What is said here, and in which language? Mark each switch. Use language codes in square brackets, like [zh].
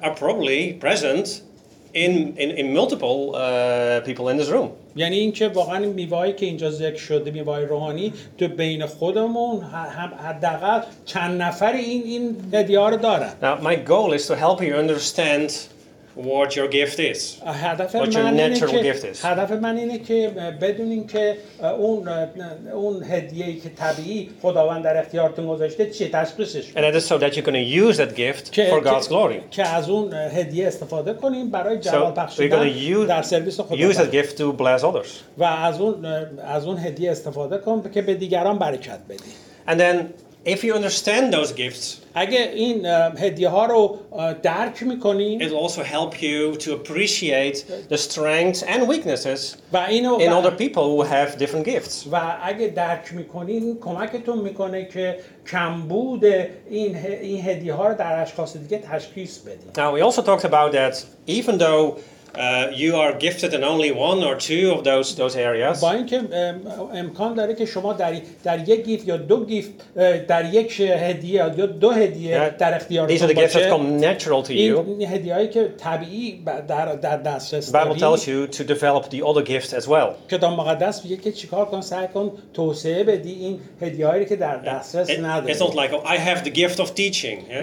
[en] are probably present in multiple people in this room. [fa] یعنی اینکه واقعا میوه‌ای که اینجا ذکر شده میوه‌ای روحانی تو بین خودمون هم حداقل چند نفر این هدیه رو دارن. [en] Now my goal is to help you understand what your gift is. What your natural gift is. [fa] هدف من اینه که بدونین که اون هدیه‌ای که طبیعی خداوند در اختیارتون گذاشته چیه، تشخیصش. [en] And that is so that you're going to use that gift for God's glory. [fa] که از اون هدیه استفاده کنیم برای جلال بخشیدن در سرویس خداوند. [en] Use that gift to bless others. [fa] و از اون هدیه استفاده کن که به دیگران برکت بدی. [en] And then if you understand those gifts, [fa] اگه این هدیه ها رو درک میکنی، [en] it will also help you to appreciate the strengths and weaknesses in other people who have different gifts. [fa] و اگه درک میکنی، کمکتون میکنه که کمبود این هدیه ها رو در اشخاص دیگه تشخیص بدی. [en] Now we also talked about that even though you are gifted in only one or two of those areas. [fa] با اینکه امکان داره که شما در یک گیف یا دو گیف در یک هدیه یا دو هدیه در اختیار باشه. [en] These are the gifts that come natural to you. [fa] این هدیه‌ای که طبیعی در دسترس داری. [en] Bible tells you to develop the other gifts as well. [fa] کتاب مقدس میگه که چیکار کن، سعی کن توسعه بدی این هدیه‌هایی که در دسترس نداری. [en] It's not like I have the gift of teaching.